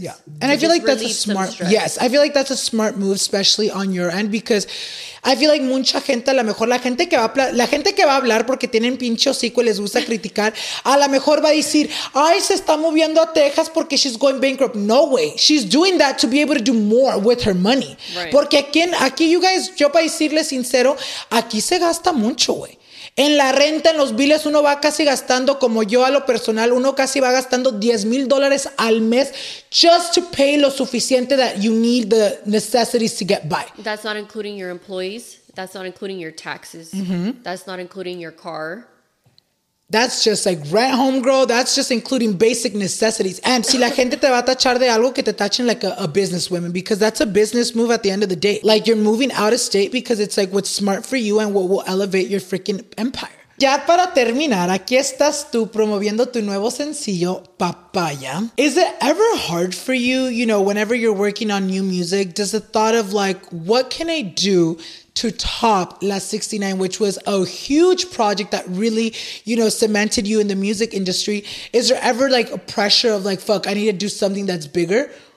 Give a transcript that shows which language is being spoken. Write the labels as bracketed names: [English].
[English] Yeah. And I feel like [Spanish] that's a smart, yes, I feel like that's a smart move, especially on your end, because I feel like mucha gente, a lo mejor la gente que va a hablar porque tienen pinche hocico y les gusta criticar, a lo mejor va a decir, ay, se está moviendo a Texas porque [English] she's going bankrupt. No way. She's doing that to be able to do more with her money. Right. [Spanish] Porque aquí, [English] you guys, [Spanish] yo para decirle sincero, aquí se gasta mucho, güey. En la renta, en los biles, uno va casi gastando, como yo a lo personal, uno casi va gastando $10,000 al mes [English] just to pay [Spanish] lo suficiente [English] that you need the necessities to get by. That's not including your employees. That's not including your taxes. Mm-hmm. That's not including your car. That's just like rent, homegirl. That's just including basic necessities. And [Spanish] si la gente te va a tachar de algo, que te tachen [English] like a businesswoman, because that's a business move at the end of the day. Like, you're moving out of state because it's like what's smart for you and what will elevate your freaking empire. [Spanish] Ya para terminar, aquí estás tú promoviendo tu nuevo sencillo, Papaya. [English] Is it ever hard for you, you know, whenever you're working on new music, does the thought of like, what can I do to top La 69, which was a huge project that really, you know, cemented you in the music industry. Is there ever like a pressure of like, fuck, I need to do something that's bigger?